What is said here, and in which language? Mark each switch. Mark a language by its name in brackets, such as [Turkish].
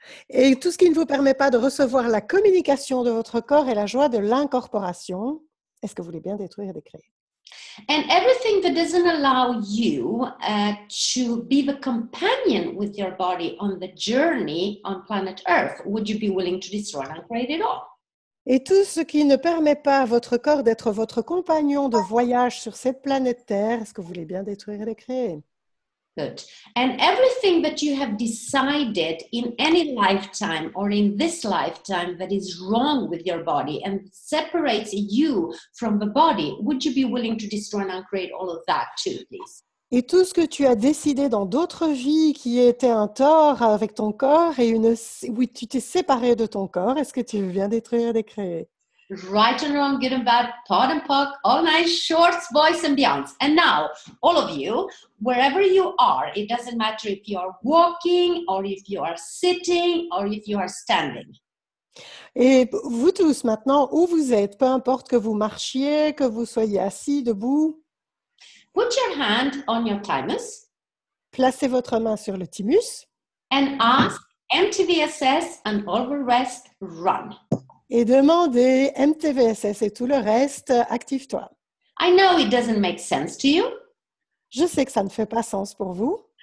[French] Et tout ce qui ne vous permet pas de recevoir la communication de votre corps et la joie de l'incorporation, est-ce que vous voulez bien détruire et décréer? [English] And everything that doesn't allow you to be the companion with your body on the journey on planet Earth, would you be willing to destroy and create it all? [French] Et tout ce qui ne permet pas à votre corps d'être votre compagnon de voyage sur cette planète Terre, est-ce que vous voulez bien détruire et décréer? [English] Good. And everything that you have decided in any lifetime or in this lifetime that is wrong with your body and separates you from the body, would you be willing to destroy and uncreate all of that too, please? [French] Et tout ce que tu as décidé dans d'autres vies qui était un tort avec ton corps et une oui, tu t'es séparé de ton corps, est-ce que tu veux bien détruire et décréer? [English] Right and wrong, good and bad, pot and pock, all nice shorts, boys and beyonds. And now, all of you, wherever you are, it doesn't matter if you are walking or if you are sitting or if you are standing. [French] Et vous tous maintenant, où vous êtes, peu importe que vous marchiez, que vous soyez assis, debout. [English] Put your hand on your thymus. [French] Placez votre main sur le thymus. [English] And ask MTVSS and all the rest run. [French] Et demandez MTVSS et tout le reste, active-toi. [English] I know it doesn't make sense to you. [French] Je sais que ça ne fait pas sens pour vous.